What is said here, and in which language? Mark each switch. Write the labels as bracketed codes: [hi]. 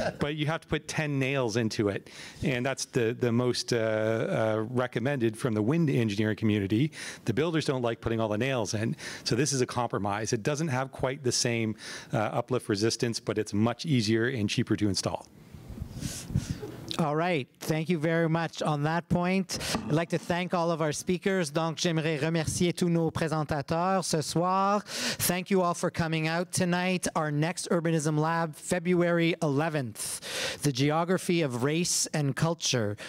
[en] But you have to put 10 nails into it. And that's the most recommended from the wind engineering community. The builders don't like putting all the nails in. So this is a compromise. It doesn't have quite the same uplift resistance, but it's much easier and cheaper to install. All right. Thank you very much on that point. I'd like to thank all of our speakers. [fr] Donc, j'aimerais remercier tous nos présentateurs ce soir. [en] Thank you all for coming out tonight. Our next Urbanism Lab, February 11th, The Geography of Race and Culture.